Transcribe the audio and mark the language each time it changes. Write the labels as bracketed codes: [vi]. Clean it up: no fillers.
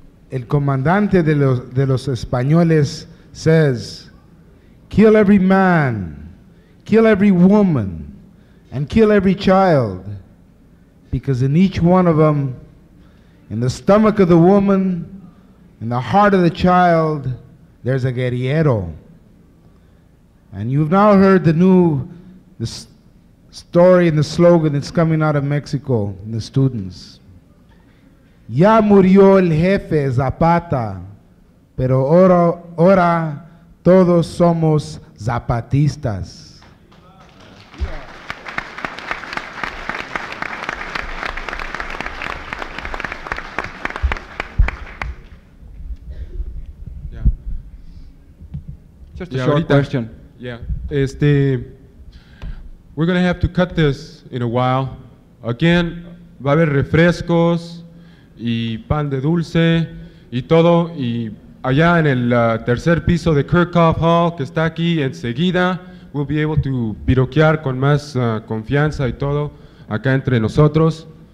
[es] El comandante de los Españoles [en] says, kill every man, kill every woman, and kill every child, because in each one of them, in the stomach of the woman, in the heart of the child, there's a guerrero. And you've now heard the story and the slogan that's coming out of Mexico, and the students. [es] Ya murió el jefe Zapata, pero ahora todos somos zapatistas. [en] Just a short question. Yeah. We're going to have to cut this in a while. [es] Again, va a haber refrescos y pan de dulce y todo. Y allá en el tercer piso de Kirchhoff Hall, que está aquí enseguida, [en] we'll be able to [es] piroquear con más confianza y todo acá entre nosotros.